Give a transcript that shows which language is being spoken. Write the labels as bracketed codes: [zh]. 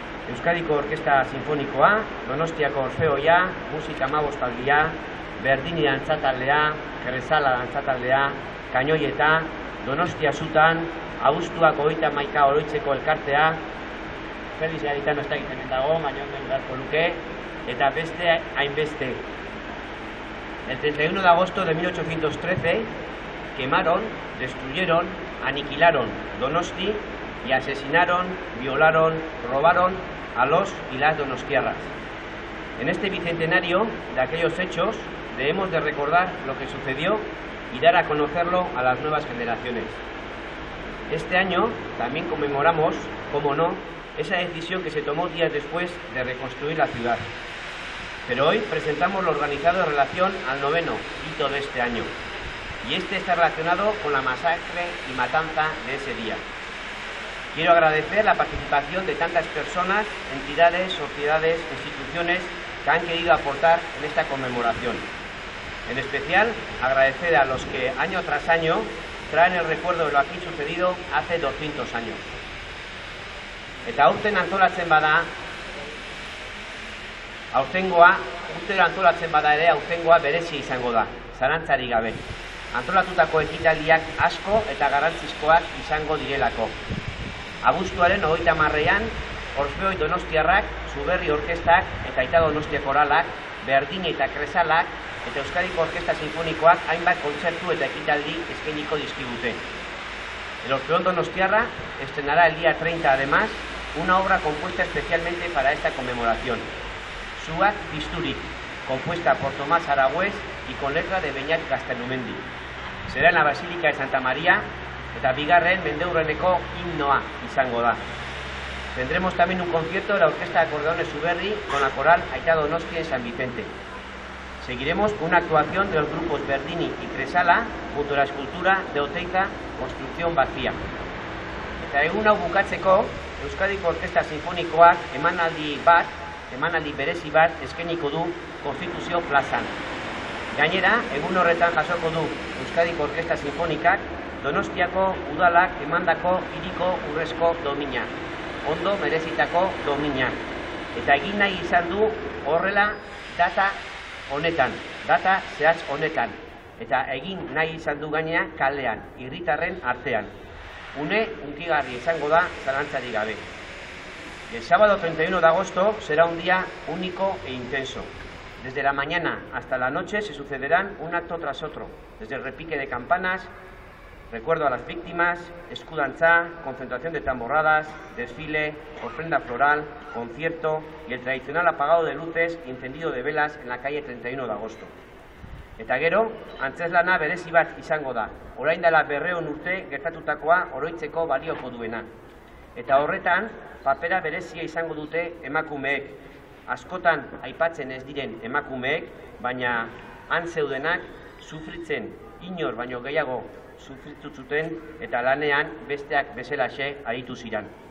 [eu] Euskadiko Orkestra Sinfonikoa, Donostiako Orfeoia, Musika Hamabostaldia, Berdini Dantzataldea, Kresala Dantzataldea, Kainoieta, Donostia Zutan, Abuztuak 31 oroitzeko elkartea, Feliz Garitano ez da egiten dago, baina ondoen beharko luke, eta beste hainbeste. [es] El 31 de agosto de 1813 quemaron, destruyeron, aniquilaron Donosti y asesinaron, violaron, robaron a los y las donostiarras. En este bicentenario de aquellos hechos debemos de recordar lo que sucedió y dar a conocerlo a las nuevas generaciones. Este año también conmemoramos, como no, esa decisión que se tomó días después de reconstruir la ciudad. Pero hoy presentamos lo organizado en relación al noveno hito de este año. Y este está relacionado con la masacre y matanza de ese día. Quiero agradecer la participación de tantas personas, entidades, sociedades, instituciones que han querido aportar en esta conmemoración. En especial, agradecer a los que año tras año traen el recuerdo de lo aquí sucedido hace 200 años. [eu] Eta urten antolatzen bada, aurtengoa, urtero antolatzen bada ere, aurtengoa berezia izango da, zalantzarik gabe. Antolatutako ekitaldiak asko eta garrantzizkoak izango direlako. Abuztuaren 30ean, Orfeoi Donostiarrak, Zuberri Orkestak eta Aita Donostia Koralak, Berdini eta Kresalak, eta Euskadiko Orkestra Sinfonikoak hainbat kontzertu eta ekitaldi eskainiko dizkigute. [es] El Orfeón Donostiarra estrenará el día 30, además, una obra compuesta especialmente para esta conmemoración. Suat Bisturik, compuesta por Tomás Aragüez y con letra de Beñat Gaztelumendi. Será en la Basílica de Santa María, [eu] eta bigarren mendeurreneko himnoa izango da. [es] Tendremos también un concierto de la Orquesta de Acordeones Zuberri con la coral Aita Donostia en San Vicente. Seguiremos con una actuación de los grupos Berdini y Kresala junto a la escultura de Oteiza Construcción Vacía. [eu] Eta egun hau bukatzeko, Euskadiko Orkestra Sinfonikoak emanaldi berezi bat eskainiko du Konstituzio plazan. Gainera, egun horretan jasoko du Euskadiko Orkestra Sinfonikak Donostiako udalak emandako hiriko urrezko domina, ondo merezitako domina. Eta egin nahi izan du horrela data zehatz honetan. Eta egin nahi izan du gainea kalean, irritarren artean. Une hunkigarri izango da zalantzarik gabe. [es] El sábado 31 de agosto será un día único e intenso. Desde la mañana hasta la noche se sucederán un acto tras otro, desde el repique de campanas, recuerdo a las víctimas, escudanza, concentración de tamborradas, desfile, ofrenda floral, concierto y el tradicional apagado de luces y encendido de velas en la calle 31 de agosto. [eu] Eta gero, antzeslana berezi bat izango da, orain dela 200 urte gertatutakoa oroitzeko balioko duena. Eta horretan, papera berezia izango dute emakumeek, askotan aipatzen ez diren emakumeek, baina han zeudenak sufritzen inor baino gehiago sufritu zuten eta lanean besteak bezalaxe aritu ziren.